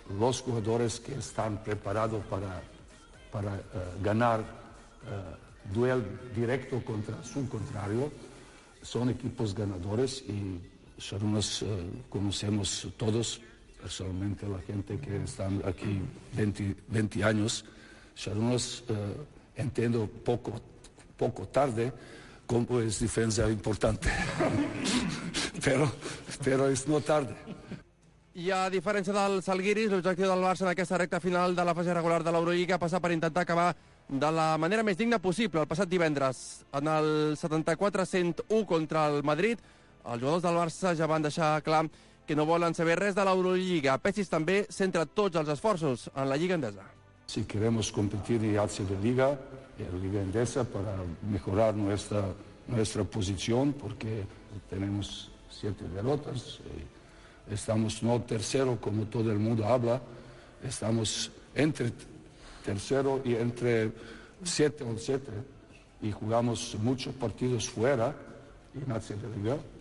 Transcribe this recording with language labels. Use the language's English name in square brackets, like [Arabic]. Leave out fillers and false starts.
[Spanish] Los jugadores que están preparados para ganar duel directo contra su contrario son equipos ganadores, y Sarunas conocemos todos, personalmente la gente que está aquí 20 años. Sarunas entiendo poco tarde cómo es defensa importante, pero es no tarde. [Catalan] I a diferència del Salguiris, l'objectiu del Barça en aquesta recta final de la fase regular de l'Euroliga passa per intentar acabar de la manera més digna possible el passat divendres. En el 74-101 contra el Madrid, els jugadors del Barça ja van deixar clar que no volen saber res de l'Euroliga. Pesic també centra tots els esforços en la Lliga Endesa. [Spanish] Si queremos competir y hacer de Liga, en Liga Endesa, para mejorar nuestra posición, porque tenemos 7 derrotas, estamos no tercero como todo el mundo habla, estamos entre tercero y entre 7-7, y jugamos muchos partidos fuera en la Serie Liga,